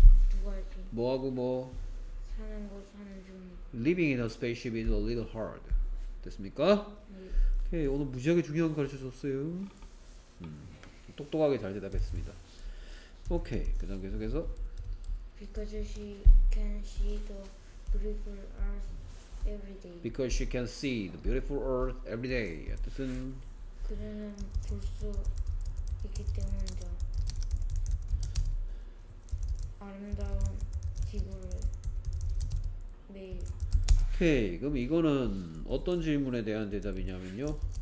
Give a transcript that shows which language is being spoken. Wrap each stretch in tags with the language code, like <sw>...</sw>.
<ko>두 가지. 뭐하고 뭐? 사는 거 사는 중.</ko> <en>Living in a spaceship is a little hard.</en> <ko>됐습니까? 네. 오케이, 오늘 무지하게 중요한 걸 가르쳐줬어요. 똑똑하게 잘 대답했습니다. 오케이, 그 다음 계속해서.</ko> <en>Because she can see the beautiful earth every day. Because she can see the beautiful earth every day.</en> <ko>뜻은 그녀는 볼수 있기 때문이죠. 아름다운 지구를 매일. 오케이, 그럼 이거는 어떤 질문에 대한 대답이냐면요.</ko>